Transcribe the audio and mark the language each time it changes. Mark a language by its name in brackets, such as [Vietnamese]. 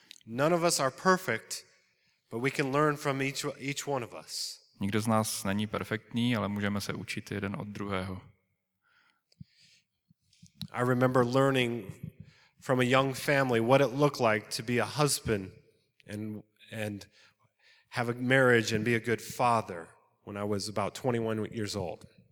[English] None of us are perfect, but we can learn from each one of us. [Czech] Nikdo z nás není perfektní, ale můžeme se učit jeden od druhého. [English] I remember learning from a young family what it looked like to be a husband and have a marriage and be a good father when I was about 21 years old.